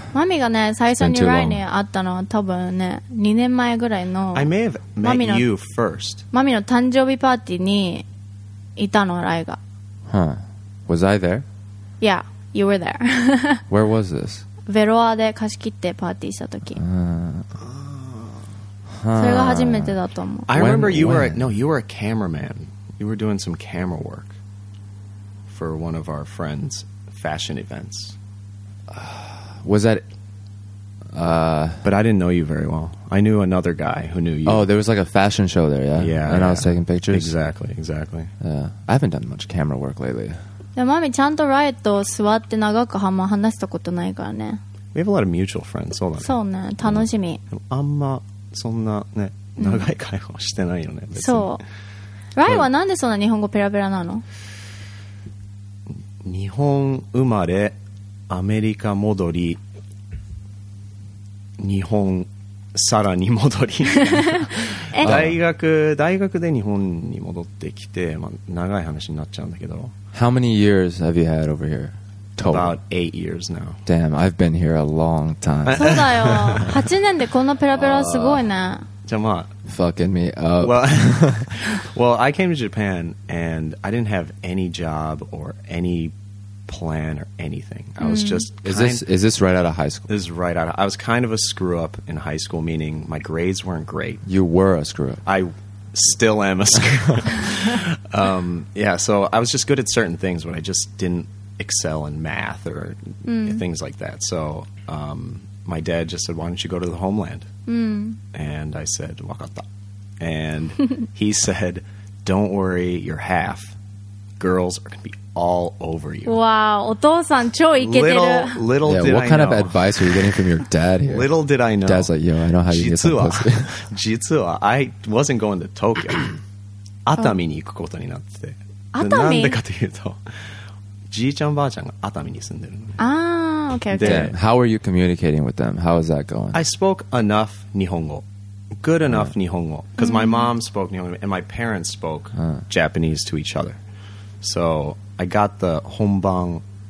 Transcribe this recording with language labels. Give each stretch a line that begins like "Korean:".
Japanese: マミがね、最初にRaiに会ったのは多分ね、2年前ぐらいの。
English: I may have met you first.
Japanese: マミの誕生日パーティーに、いたの、ライが。
English: Huh. Was I there? Yeah, you were there. Where was this?
Japanese: ベロアで貸し切ってパーティーしたとき。それが初めてだと思う。
English: I remember you were, no, you were a cameraman. You were doing some camera work for one of our friends' fashion events. Was that... But I didn't know you very well. I knew another guy who knew you. Oh, there was like a fashion show there, yeah? Yeah. And yeah. I was taking pictures? Exactly, exactly. Yeah. I haven't done much camera work lately.
Japanese: Mommy, ちゃんとライト座って長く話したことないからね。
English: We have a lot of mutual friends,
Japanese: そうだね。そうね、楽しみ。あんまそんなね、長い会話してないよね、別に。そう。ライはなんでそんな日本語ペラペラなの? 日本生まれ、アメリカ戻り、日本さらに戻り大学で日本に戻ってきて、まあ、長い話になっちゃうんだけど。
English: How many years have you had over here? Total. About 8 years now. Damn, I've been here a long time.
Japanese: そうだよ、8年でこのペラペラすごいね。じゃあまあ
English: Fucking me up. Well, I came to Japan and I didn't have any job or anyplan or anything. I was just is this right out of high school? This is right out of, I was kind of a screw up in high school, meaning my grades weren't great. You were a screw up. I still am a screw up. Yeah, so I was just good at certain things, but I just didn't excel in math or things like that. So my dad just said, why don't you go to the homeland? And I said, wakatta. And he said, don't worry, you're half. Girls are going to be all over you.
Japanese: Wow, お父さん超イケてる。
English: Little yeah, did I What kind of advice are you getting from your dad here? Little did I know. Dad's like, yo, I know how you get some pussy.
Japanese: 実は、
English: I wasn't going to Tokyo.
Japanese: 熱海に行くことになってて。熱海? なんでかというと、じいちゃんばあちゃんが熱海に住んでるの。
English: Ah, okay, okay. Damn, how are you communicating with them? How is that going? I spoke enough 日本語。good enough Nihongo. Because my mom spoke Nihongo and my parents spoke Japanese to each other. So I got the Honbang.